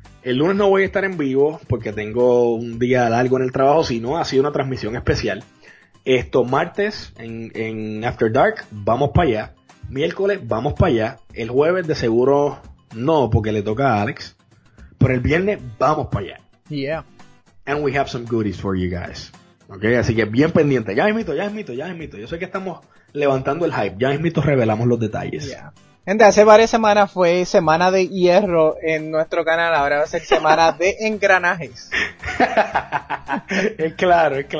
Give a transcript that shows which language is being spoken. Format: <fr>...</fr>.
<es>El lunes no voy a estar en vivo porque tengo un día largo en el trabajo, sino ha sido una transmisión especial. Esto, martes en After Dark, vamos para allá. Miércoles, vamos para allá. El jueves, de seguro, no, porque le toca a Alex. Pero el viernes, vamos para allá.</es> <en>Yeah. And we have some goodies for you guys.</en> <es>Okay, así que bien pendiente. Ya mismito. Yo sé que estamos levantando el hype. Ya mismito revelamos los detalles.</es> <en>Yeah.</en> <es>Gente, hace varias semanas fue semana de hierro en nuestro canal. Ahora va a ser semana de engranajes. Es claro.</es>